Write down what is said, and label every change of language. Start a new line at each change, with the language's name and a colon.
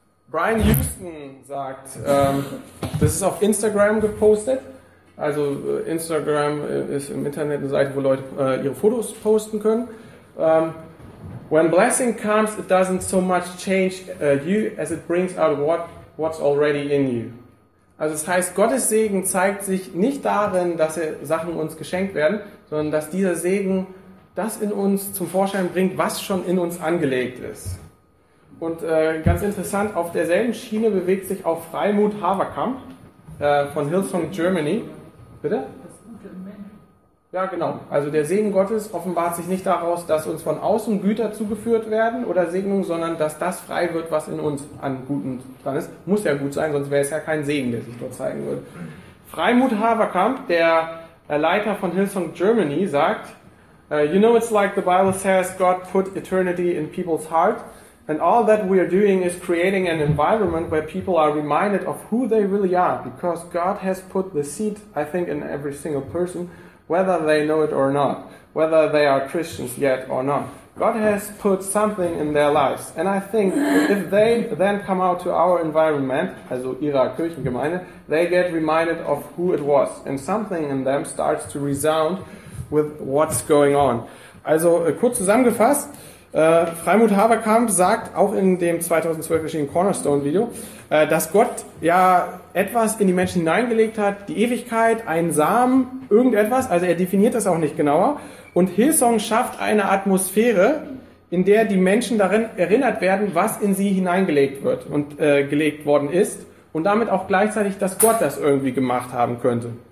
German: Brian Houston sagt, das ist auf Instagram gepostet, also Instagram ist im Internet eine Seite, wo Leute ihre Fotos posten können.
English: When blessing comes, it doesn't so much change you, as it brings out what's already in you.
German: Also das heißt, Gottes Segen zeigt sich nicht darin, dass Sachen uns geschenkt werden, sondern dass dieser Segen das in uns zum Vorschein bringt, was schon in uns angelegt ist. Und ganz interessant, auf derselben Schiene bewegt sich auch Freimut Haverkamp von Hillsong Germany. Bitte? Ja, genau. Also der Segen Gottes offenbart sich nicht daraus, dass uns von außen Güter zugeführt werden oder Segnungen, sondern dass das frei wird, was in uns an Guten dran ist. Muss ja gut sein, sonst wäre es ja kein Segen, der sich dort zeigen würde.
English: Freimut Haverkamp,
German: der Leiter von Hillsong Germany, sagt,
English: You know, it's like the Bible says, God put eternity in people's heart, and all that we are doing is creating an environment where people are reminded of who they really are, because God has put the seed, I think, in every single person, whether they know it or not, whether they are Christians yet or not. God has put something in their lives. And I think if they then come out to our environment,
German: also ihrer Kirchengemeinde,
English: they get reminded of who it was. And something in them starts to resound with what's going on.
German: Also kurz zusammengefasst, Freimut Haverkamp sagt auch in dem 2012 erschienenen Cornerstone-Video, dass Gott ja etwas in die Menschen hineingelegt hat, die Ewigkeit, einen Samen, irgendetwas. Also er definiert das auch nicht genauer. Und Hillsong schafft eine Atmosphäre, in der die Menschen darin erinnert werden, was in sie hineingelegt wird und gelegt worden ist und damit auch gleichzeitig, dass Gott das irgendwie gemacht haben könnte.